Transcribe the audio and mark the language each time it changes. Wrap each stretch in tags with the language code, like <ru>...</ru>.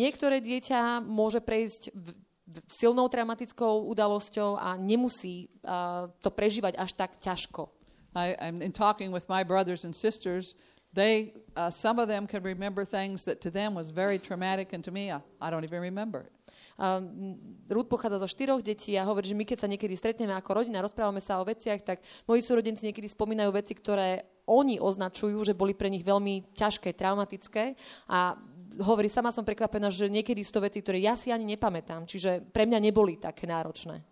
<sk>Niektoré dieťa môže prejsť silnou traumatickou udalosťou a nemusí to prežívať až tak ťažko.</sk> <en>In talking with my brothers and sisters, some of them can remember things that to them was very traumatic and to me I don't even remember it.</en> <sk>Ruth pochádza zo 4 detí a hovorí, že my keď sa niekedy stretneme ako rodina, rozprávame sa o veciach, tak moji súrodenci niekedy spomínajú veci, ktoré oni označujú, že boli pre nich veľmi ťažké, traumatické a hovorí, sama som prekvapená, že niekedy sú to veci, ktoré ja si ani nepamätám, čiže pre mňa neboli také náročné.</sk>